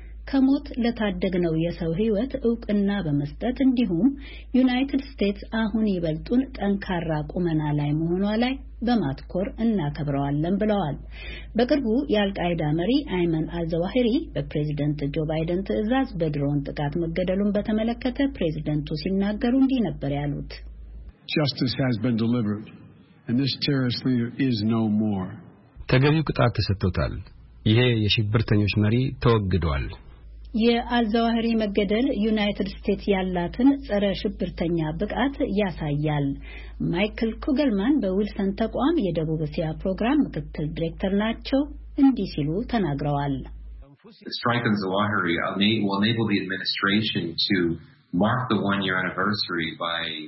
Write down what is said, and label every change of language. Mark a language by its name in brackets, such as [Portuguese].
[Amharic] ከሞት ለታደግነው የሰው ህይወት እውቅና በመስጠት እንዲሁም ዩናይትድ ስቴትስ አሁን ይበልጡን ጠንካራ ቁመና ላይ መሆኗ ላይ በማትኮር እናከብራለን ብለዋል። በቅርቡ የአልቃይዳ መሪ አይመን አዘዋሂሪ በፕሬዝዳንት ጆ ባይደን ትእዛዝ በድሮን ጥቃት መገደሉን በተመለከተ ፕሬዝዳንቱ ሲናገሩ እንዲህ ነበር ያሉት። [English] Justice has been delivered and this terrorist leader is no more. [Amharic] ተገቢው ቅጣት ተሰጥቷል። ይሄ የሽብርተኞች መሪ ተወግዷል። የአልዛዋሂሪ መገደል ዩናይትድ ስቴትስ ያላትን ጸረ ሽብርተኛ ብቃት ያሳያል። ማይክል ኩገልማን በዊልሰን ተቋም የደቡብ እስያ ፕሮግራም ምክትል ዲሬክተር ናቸው እንዲህ ሲሉ ተናግረዋል። [English] Strikes Zawahiri will enable the administration to mark the 1-year anniversary by